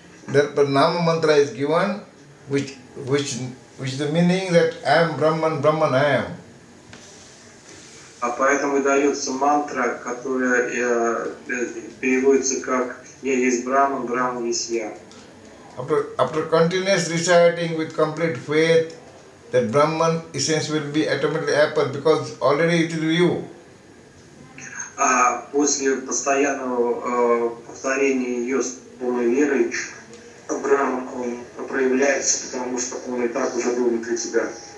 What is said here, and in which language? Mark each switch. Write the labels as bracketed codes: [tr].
[en] Therefore, Nama Mantra is given, which the meaning that I am Brahman, Brahman I am. [ru] А поэтому дается мантра, которая переводится как «Я есть Брахман, Брахман есть я». [en] After continuous reciting with complete faith, that Brahman essence will be automatically happen because already it is you. [ru] А после постоянного повторения ее с полной верой, Брахман, он проявляется, потому что он и так уже был внутри тебя.